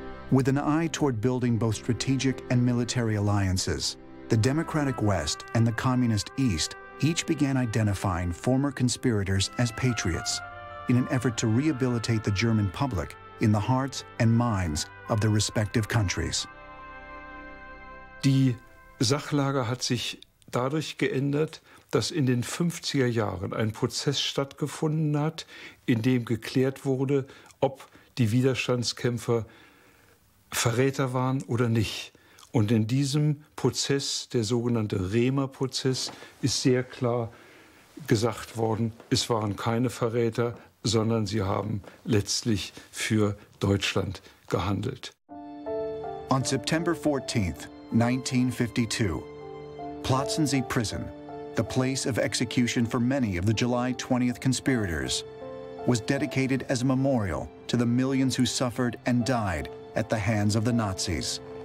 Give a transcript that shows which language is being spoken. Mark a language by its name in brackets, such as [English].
[English] With an eye toward building both strategic and military alliances, the Democratic West and the Communist East each began identifying former conspirators as patriots in an effort to rehabilitate the German public in the hearts and minds of their respective countries. [German] Die Sachlage hat sich dadurch geändert, dass in den 50er Jahren ein Prozess stattgefunden hat, in dem geklärt wurde, ob die Widerstandskämpfer Verräter waren oder nicht. Und in diesem Prozess, der sogenannte Rehmer-Prozess, ist sehr klar gesagt worden, es waren keine Verräter, sondern sie haben letztlich für Deutschland gehandelt. [English] On September 14th, 1952, Plötzensee Prison, the place of execution for many of the July 20th conspirators, was dedicated as a memorial to the millions who suffered and died at the hands of the Nazis.